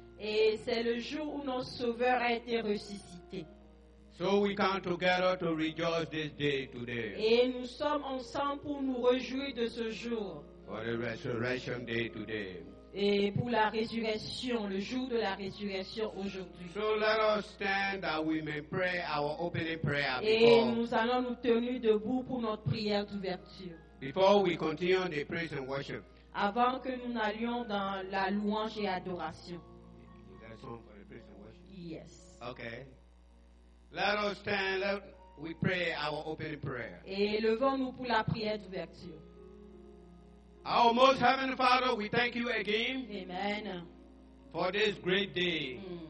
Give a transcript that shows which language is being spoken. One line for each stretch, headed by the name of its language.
French: Et c'est le jour où notre Sauveur a été ressuscité.
English: So we come together to rejoice this day today.
French: Et nous sommes ensemble pour nous réjouir de ce jour.
English: For the resurrection day today.
French: Et pour la résurrection, le jour de la résurrection aujourd'hui.
English: So let us stand that we may pray our opening prayer before.
French: Et nous allons nous tenir debout pour notre prière d'ouverture.
English: Before we continue the praise and worship.
French: Avant que nous n'allions dans la louange et adoration.
English: Is that a song for the praise and worship? Yes. Okay. Let us stand, let we pray our opening prayer.
French: Et levons-nous pour la prière d'ouverture.
English: Our most heavenly Father, we thank you again. Amen. For this great day.